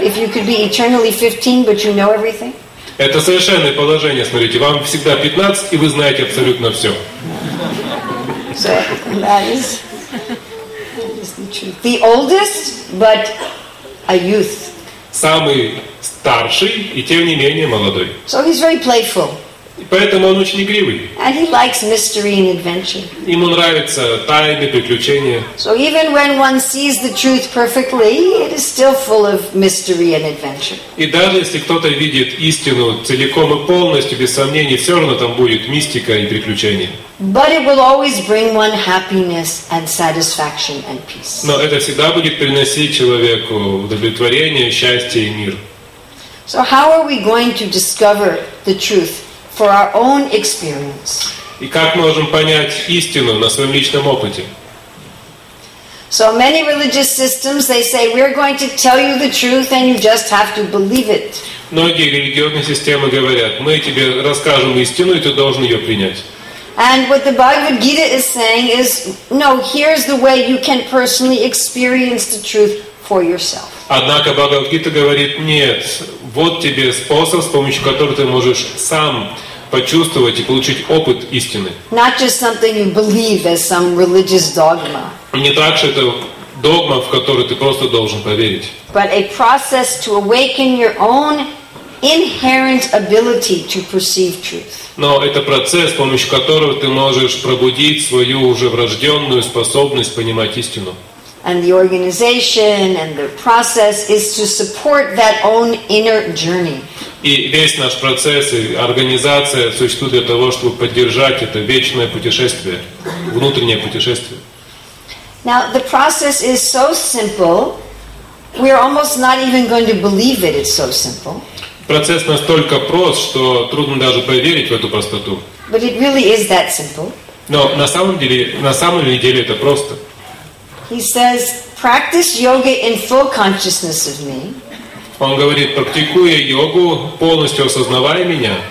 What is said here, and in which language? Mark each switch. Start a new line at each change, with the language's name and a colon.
English: If you could be eternally 15, but you know everything.
Russian: Это совершенное положение, смотрите. Вам всегда 15, и вы знаете абсолютно все.
English: So that is the truth. The oldest, but a youth.
Russian: Самый старший и тем не менее молодой.
English: So he's very playful.
Russian: И поэтому он очень игривый.
English: And he likes mystery and adventure.
Russian: Ему нравятся тайны, приключения.
English: So even when one sees the truth perfectly, it is still full of mystery and adventure.
Russian: И даже если кто-то видит истину целиком и полностью без сомнений, все равно там будет мистика и приключения.
English: But it will always bring one happiness and satisfaction and peace.
Russian: Но это всегда будет приносить человеку удовлетворение, счастье и мир.
English: So how are we going to discover the truth for our own experience?
Russian: И как мы можем понять истину на своем личном опыте?
English: So many religious systems, they say, we're going to tell you the truth and you just have to believe it.
Russian: Многие религиозные системы говорят, мы тебе расскажем истину и ты должен ее принять.
English: And what the Bhagavad Gita is saying is, no, here's the way you can personally experience the truth for yourself.
Russian: Однако Бхагавад Гита говорит, нет, вот тебе способ, с помощью которого ты можешь сам почувствовать и получить опыт истины.
English: Not just something you believe as some religious dogma.
Russian: Не так, что это догма, в которую ты просто должен поверить.
English: But a process to awaken your own inherent ability to perceive truth.
Russian: Но это процесс, с помощью которого ты можешь пробудить свою уже врожденную способность понимать истину.
English: And the organization and the process is to support that own inner journey.
Russian: И весь наш процесс и организация существует для того, чтобы поддержать это вечное путешествие, внутреннее путешествие.
English: Now the process is so simple, we are almost not even going to believe that it's so simple.
Russian: Процесс настолько прост, что трудно даже поверить в эту простоту.
English: But it really is that simple.
Russian: Но на самом деле это просто.
English: He says, practice yoga in full consciousness of me.
Russian: Он говорит, практикуя йогу, полностью осознавая меня.